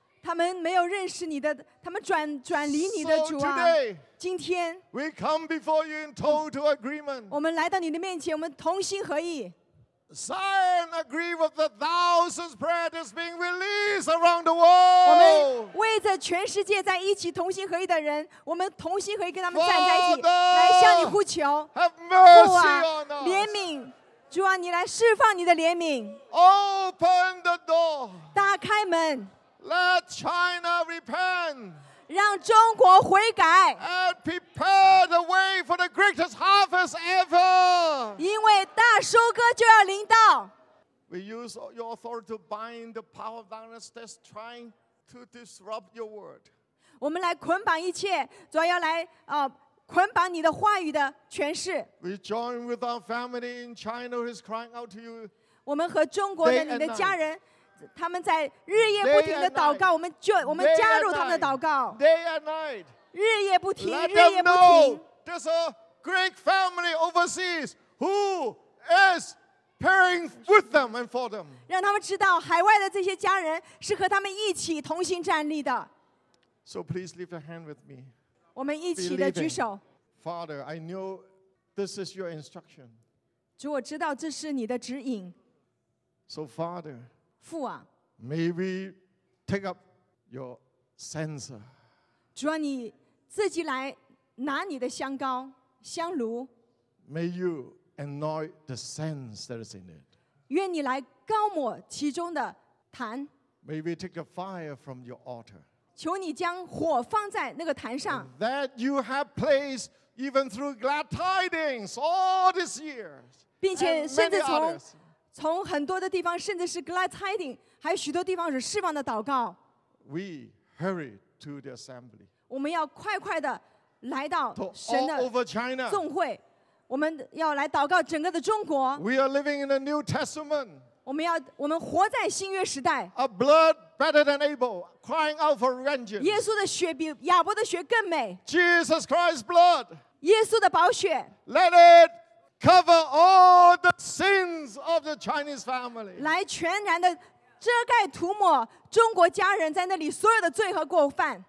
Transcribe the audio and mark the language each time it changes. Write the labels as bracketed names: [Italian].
[Chinese] 他们没有认识你的，他们转离你的主啊。 [English] So today, [Chinese] 今天 [English] we come before you in total agreement. [Chinese] 我们来到你的面前，我们同心合意。 [English] Zion agree with the thousands prayers being released around the world. [Chinese] 我们为着全世界在一起同心合意的人，我们同心合意跟他们站在一起，来向你呼求。 [English] Have mercy on us. [Chinese] 怜悯，主啊，你来释放你的怜悯。 [English] Open the door. [Chinese] 打开门。 [English] Let China repent. [Chinese] 让中国悔改。 [English] And prepare the way for the greatest harvest ever. [Chinese] 因为大收割就要临到。 [English] We use your authority to bind the power of darkness that's trying to disrupt your word. [Chinese] 我们来捆绑一切，主要来捆绑你的话语的权势。 [English] We join with our family in China who is crying out to you. [Chinese] 我们和中国人，你的家人。他们在日夜不停的祷告，我们加入他们的祷告。 [English] Day and night, [Chinese] 日夜不停，日夜不停。 [English] There's a great family overseas who is praying with them and for them. [Chinese] 让他们知道海外的这些家人是和他们一起同心站立的。 [English] So please lift a hand with me. [Chinese] 我们一起的举手。 [English] Father, I know this is your instruction. [Chinese] 主，我知道这是你的指引。 [English] So Father. [Chinese] 父啊 [English] May we take up your censer. [Chinese] 主啊，你自己来拿你的香膏、香炉。 [English] May you anoint the sense that is in it. [Chinese] 愿你来膏抹其中的坛。 [English] May we take the fire from your altar. [Chinese] 求你将火放在那个坛上。 [English] That you have placed even through glad tidings all these years. [Chinese] 并且甚至从很多的地方，甚至是 glad tidings， 还有许多地方是释放的祷告。 [English] We hurry to the assembly. [Chinese] 我们要快快的来到神的众会。我们要来祷告整个的中国。 [English] We are living in a New Testament. [Chinese] 我们活在新约时代。 [English] A blood better than Abel, crying out for vengeance. [Chinese] 耶稣的血比亚伯的血更美。 [English] Jesus Christ's blood. [Chinese] 耶稣的宝血。 [English] Let it cover all the sins of the Chinese family. [Chinese] 来全然的遮盖涂抹中国家人在那里所有的罪和过犯。